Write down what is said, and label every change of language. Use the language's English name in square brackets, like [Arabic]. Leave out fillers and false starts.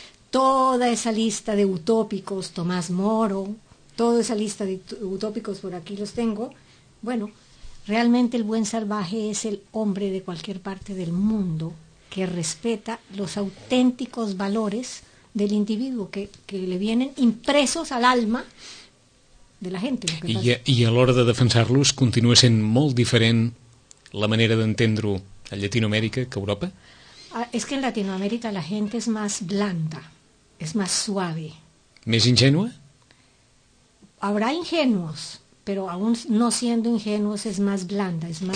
[Spanish] Toda esa lista de utópicos, Tomás Moro, toda esa lista de utópicos, por aquí los tengo. Bueno, Realmente el buen salvaje es el hombre de cualquier parte del mundo que respeta los auténticos valores del individuo que le vienen impresos al alma de la gente. [Catalan] I a l'hora de defensar-los continua sent molt diferent la manera d'entendre-ho a Llatinoamèrica que a Europa? [Spanish] Es que en Latinoamérica la gente es más blanda, es más suave. [Catalan] ¿Més ingenua? [Spanish] Habrá ingenuos, pero aún no siendo ingenuos es más blanda, es más